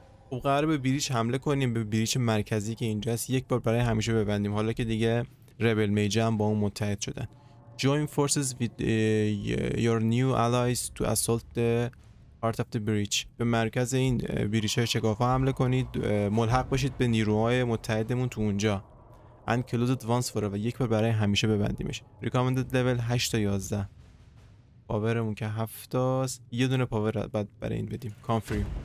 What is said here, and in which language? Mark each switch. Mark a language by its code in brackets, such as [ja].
[fa] خب قرار به بریچ حمله کنیم، به بریچ مرکزی که اینجاست یک بار برای همیشه ببندیم حالا که دیگه ربل میجر هم با اون متحد شدن. [en] Join forces with your new allies to assault the heart of the breach. [fa] به مرکز این بریچ های شکاف ها حمله کنید. ملحق باشید به نیروهای متحدمون تو اونجا. [en] and close it once forever. [fa] یک بار برای همیشه ببندیمش. [en] Recommended level [fa] 8 تا 11. پاورمون که 7 تاست. یه دونه پاور بعد برای این بدیم. [en] Confirm.